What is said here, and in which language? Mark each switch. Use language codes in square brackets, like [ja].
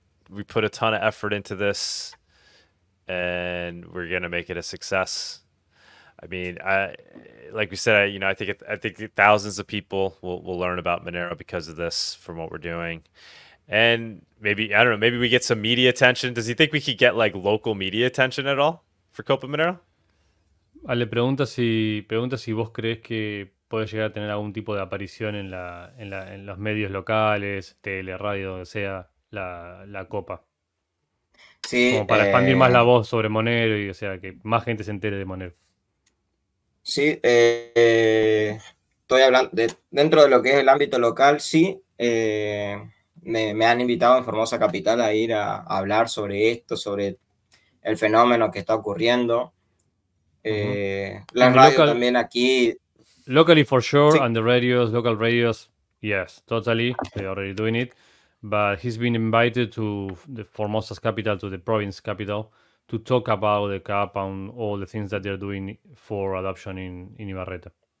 [en] We put a ton of effort into this, and we're gonna make it a success. I mean, I think thousands of people will learn about Monero because of this, from what we're doing, and maybe I don't know. Maybe we get some media attention. Does he think we could get like local media attention at all for Copa Monero? [es] Le pregunta si vos crees que puede llegar a tener algún tipo de aparición en los medios locales, tele, radio, donde sea la copa. Sí, como para expandir más la voz sobre Monero y, o sea, que más gente se entere de Monero. Sí, estoy hablando dentro de lo que es el ámbito local, sí. Me han invitado en Formosa Capital a ir a hablar sobre esto, sobre el fenómeno que está ocurriendo. La radio local... también aquí. [en] Locally for sure, sí. And the radios, local radios, yes, totally, they're already doing it. But he's been invited to the Formosa's capital, to the province capital, to talk about the cap and all the things that they're doing for adoption in Ibarreta.